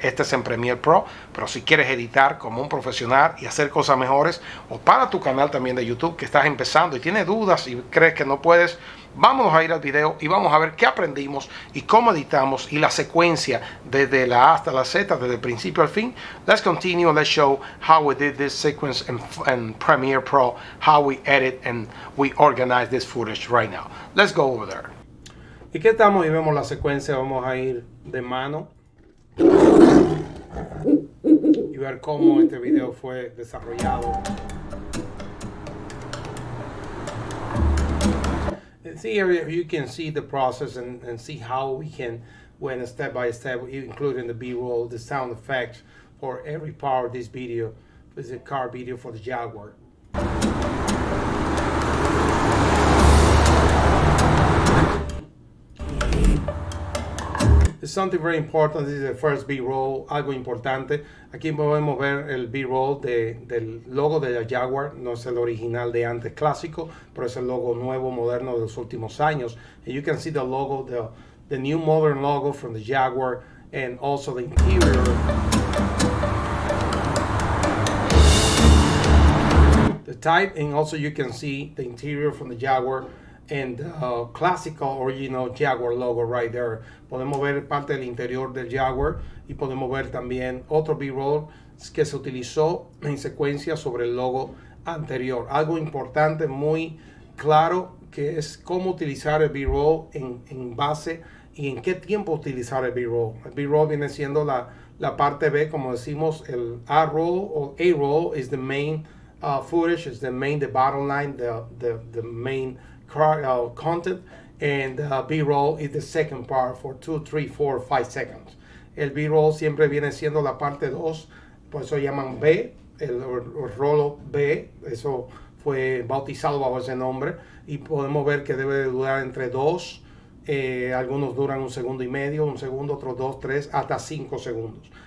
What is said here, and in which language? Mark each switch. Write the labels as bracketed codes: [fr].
[es] Este es en Premiere Pro, pero si quieres editar como un profesional y hacer cosas mejores, o para tu canal también de YouTube que estás empezando y tienes dudas y crees que no puedes, vámonos a ir al video y vamos a ver qué aprendimos y cómo editamos y la secuencia desde la A hasta la Z, desde el principio al fin. [en] Let's continue, let's show how we did this sequence in Premiere Pro, how we edit and we organize this footage right now. Let's go over there. [es] ¿Y qué estamos? Y vemos la secuencia, vamos a ir de mano y ver cómo este video fue desarrollado. [en] See here you can see the process and see how we can went step by step, including the B-roll, the sound effects for every part of this video. This is a car video for the Jaguar. It's something very important. This is the first B-roll, [es] algo importante. Aquí podemos ver el B-roll del logo de la Jaguar. No es el original de antes, clásico, pero es el logo nuevo, moderno de los últimos años. [en] And you can see the logo, the new modern logo from the Jaguar, and also the interior. The type, and also you can see the interior from the Jaguar. And classical original Jaguar logo right there. [es] Podemos ver parte del interior del Jaguar y podemos ver también otro B-roll que se utilizó en secuencia sobre el logo anterior. Algo importante, muy claro, que es cómo utilizar el B-roll en base y en qué tiempo utilizar el B-roll. El B-roll viene siendo la parte B, como decimos, el A-roll o [en] A-roll is the main footage, is the main, the bottom line, the main content, And B-roll is the second part for 2, 3, 4, 5 seconds. [es] El B-roll siempre viene siendo la parte 2, por eso llaman B, el rolo B, eso fue bautizado bajo ese nombre, y podemos ver que debe durar entre 2, algunos duran un segundo y medio, un segundo, otros 2, 3, hasta 5 segundos.